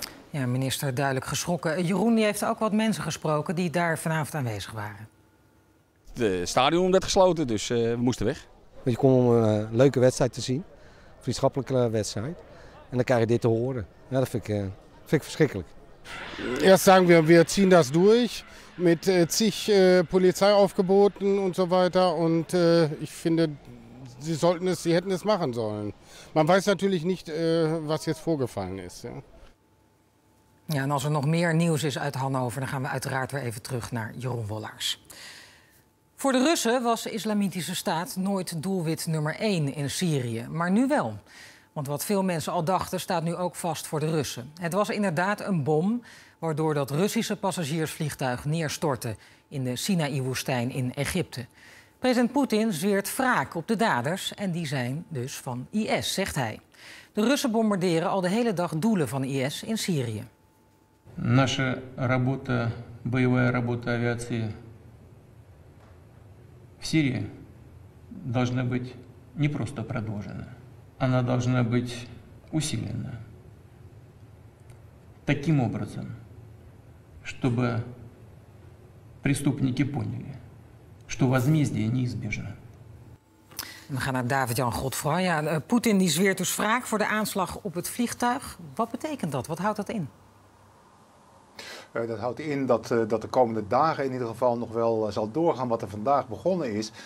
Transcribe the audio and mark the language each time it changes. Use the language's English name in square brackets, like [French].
[Dutch] Ja, minister duidelijk geschrokken. Jeroen die heeft ook wat mensen gesproken die daar vanavond aanwezig waren. De stadion werd gesloten, dus we moesten weg. Je kon om een leuke wedstrijd te zien, een vriendschappelijke wedstrijd. En dan krijg je dit te horen. Ja, dat vind ik verschrikkelijk. [German] Eerst sagen wir ziehen das durch mit zig Polizeiaufgeboten und so weiter. Und ich finde, sie hätten es machen sollen. Man weiß natürlich nicht, was jetzt vorgefallen ist. [Dutch] Ja, en als er nog meer nieuws is uit Hannover, dan gaan we uiteraard weer even terug naar Jeroen Wollaars. Voor de Russen was de Islamitische Staat nooit doelwit nummer 1 in Syrië, maar nu wel. Want wat veel mensen al dachten, staat nu ook vast voor de Russen. Het was inderdaad een bom waardoor dat Russische passagiersvliegtuig neerstortte in de Sinaï-woestijn in Egypte. President Poetin zweert wraak op de daders en die zijn dus van IS, zegt hij. De Russen bombarderen al de hele dag doelen van IS in Syrië. [Russian] Наша работа, боевая работа авиации в Сирии должна быть не просто продолжена. Она должна быть усилена таким образом, чтобы преступники поняли, что возмездие неизбежно. [Dutch] We gaan naar David-Jan Godfroy. Ja, Poetin die zweert dus wraak voor de aanslag op het vliegtuig. Wat betekent dat? Wat houdt dat in? Dat houdt in dat de komende dagen in ieder geval nog wel zal doorgaan wat er vandaag begonnen is.